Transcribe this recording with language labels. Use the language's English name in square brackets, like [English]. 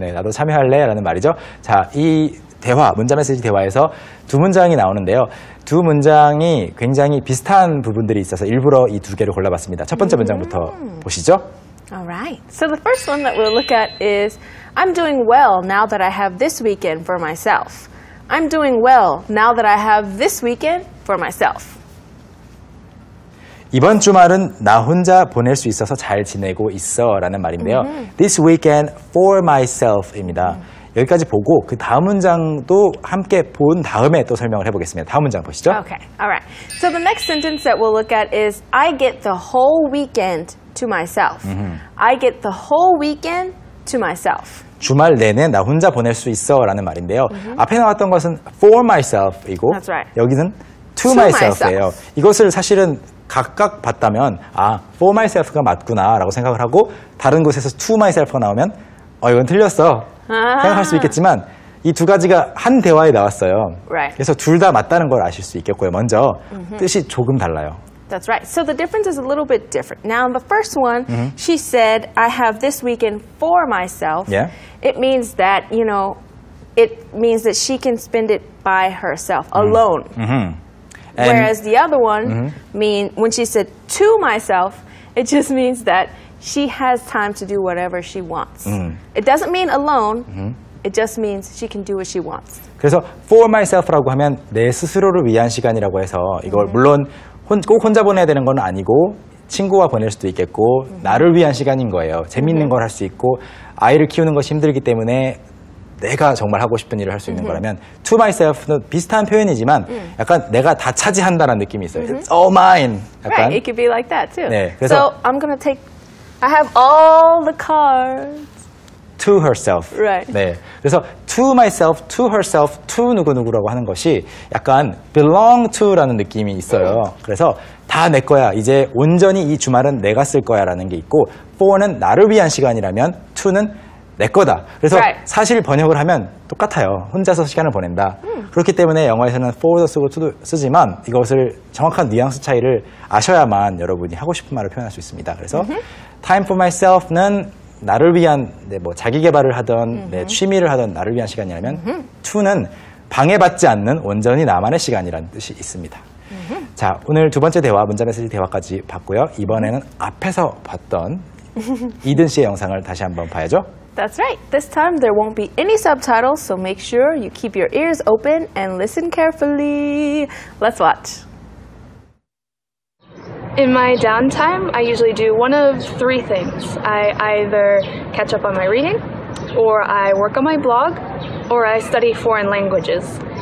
[Korean] 네, 나도 참여할래라는 말이죠. 자, 이 대화, 문자 메시지 대화에서 두 문장이 나오는데요. 두 문장이 굉장히 비슷한 부분들이 있어서 일부러 이 두 개를 골라봤습니다. 첫 번째 문장부터 보시죠. [English] All right. So the first one that we'll look at is I'm doing well now that I have this weekend for myself. I'm doing well now that I have this weekend for myself. [Korean] 이번 주말은 나 혼자 보낼 수 있어서 잘 지내고 있어 라는 말인데요. [English] Mm-hmm. This weekend for myself입니다. Mm-hmm. [Korean] 여기까지 보고 그 다음 문장도 함께 본 다음에 또 설명을 해보겠습니다. 다음 문장 보시죠. [English] Okay. All right. So the next sentence that we'll look at is I get the whole weekend to myself. Mm-hmm. I get the whole weekend to myself. [Korean] 주말 내내 나 혼자 보낼 수 있어 라는 말인데요. [English] Mm-hmm. [Korean] 앞에 나왔던 것은 for myself이고 [English] That's right. [Korean] 여기는 to myself예요. 이것을 사실은 각각 봤다면 아, for myself가 맞구나 라고 생각을 하고 다른 곳에서 to myself가 나오면 어, 이건 틀렸어. 생각할 수 있겠지만 이 두 가지가 한 대화에 나왔어요. [English] Right. [Korean] 그래서 둘 다 맞다는 걸 아실 수 있겠고요. 먼저 [English] mm-hmm. [Korean] 뜻이 조금 달라요. [English] That's right. So the difference is a little bit different. Now, in the first one, mm-hmm. she said, I have this weekend for myself. Yeah. It means that, you know, it means that she can spend it by herself, mm-hmm. alone. Mm-hmm. Whereas the other one, mm-hmm. mean, when she said to myself, it just means that she has time to do whatever she wants. Mm-hmm. It doesn't mean alone. Mm-hmm. It just means she can do what she wants. [Korean] 그래서 for myself라고 하면 내 스스로를 위한 시간이라고 해서 이걸 mm-hmm. 물론 꼭 혼자 보내야 되는 건 아니고 친구와 보낼 수도 있겠고 [English] mm-hmm. [Korean] 나를 위한 시간인 거예요. 재밌는 [English] mm-hmm. [Korean] 걸 할 수 있고 아이를 키우는 것이 힘들기 때문에 내가 정말 하고 싶은 일을 할 수 있는 [English] mm-hmm. [Korean] 거라면 to myself는 비슷한 표현이지만 [English] mm-hmm. [Korean] 약간 내가 다 차지한다는 느낌이 있어요. [English] Mm-hmm. It's all mine. [Korean] 약간. [English] Right, it could be like that too. [Korean] 네, [English] so I'm gonna take I have all the cards. To herself. Right. [Korean] 네. 그래서 to myself, to herself, to 누구누구라고 하는 것이 약간 [English] belong to [Korean] 라는 느낌이 있어요. 그래서 다 내 거야. 이제 온전히 이 주말은 내가 쓸 거야라는 게 있고 for는 나를 위한 시간이라면 to는 내 거다. 그래서 [English] right. [Korean] 사실 번역을 하면 똑같아요. 혼자서 시간을 보낸다. 그렇기 때문에 영어에서는 for도 쓰고 to도 쓰지만 이것을 정확한 뉘앙스 차이를 아셔야만 여러분이 하고 싶은 말을 표현할 수 있습니다. 그래서 [English] mm-hmm. [Korean] time for myself는 나를 위한 네, 뭐 자기 개발을 하던 [English] mm-hmm. [Korean] 네, 취미를 하던 나를 위한 시간이라면 [English] mm-hmm. [Korean] to는 방해받지 않는 온전히 나만의 시간이라는 뜻이 있습니다. [English] Mm-hmm. [Korean] 자, 오늘 두 번째 대화, 문자 메시지 대화까지 봤고요. 이번에는 앞에서 봤던 이든 씨의 영상을 다시 한번 봐야죠. [English] That's right. This time there won't be any subtitles, so make sure you keep your ears open and listen carefully. Let's watch. In my downtime, I usually do one of three things. I either catch up on my reading, or I work on my blog, or I study foreign languages.